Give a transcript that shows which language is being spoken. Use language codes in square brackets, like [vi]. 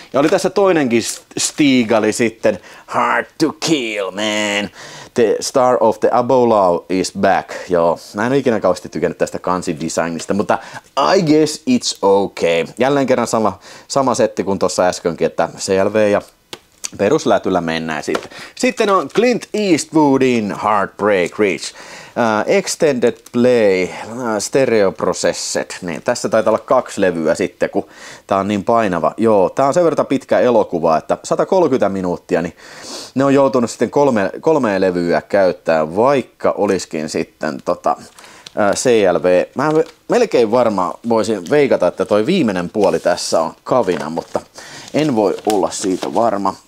[fi] Ja oli tässä toinenkin Sigali sitten, Hard to Kill, man. [en] The star of the Abolau is back. [fi] Joo, mä en ole ikinä kauheasti tykännyt tästä kansin designista, mutta [en] I guess it's okay. [fi] Jälleen kerran sama setti kuin tuossa äskenkin, että CLV ja peruslätyllä mennään sitten. Sitten on Clint Eastwoodin Heartbreak Ridge. [en] Extended Play, Stereo Processed. [fi] Niin, tässä taitaa olla kaksi levyä sitten, kun tää on niin painava. Joo, tää on sen verran pitkä elokuva, että 130 minuuttia, niin ne on joutunut sitten kolmea levyä käyttämään, vaikka olisikin sitten CLV. Mä melkein varmaan voisin veikata, että toi viimeinen puoli tässä on kavina, mutta en voi olla siitä varma.